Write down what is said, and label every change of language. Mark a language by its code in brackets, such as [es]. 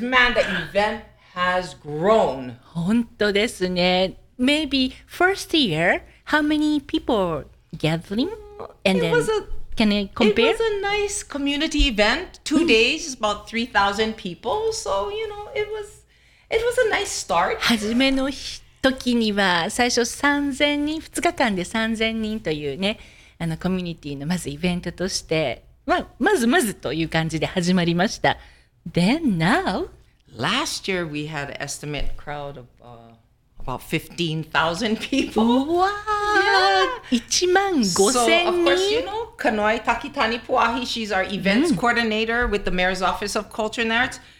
[en] Man, that event has grown. [ja] 本当ですね。 [en] Maybe first year, how many people gathering? And then... Can I compare? It was a nice community event. Two days, about 3,000 people. So, you know, it was a nice start. [ja] 初めの時には最初3,000人、2日間で3,000人というね、あのコミュニティのまずイベントとして、まあ、まずまずという感じで始まりました。 [en] Then now? Last year we had an estimate crowd of about 15,000 people. Wow! Yeah. 15,000 people. So, of course, you know, Kanoi Takitani Puahi, she's our events coordinator with the Mayor's Office of Culture and Arts.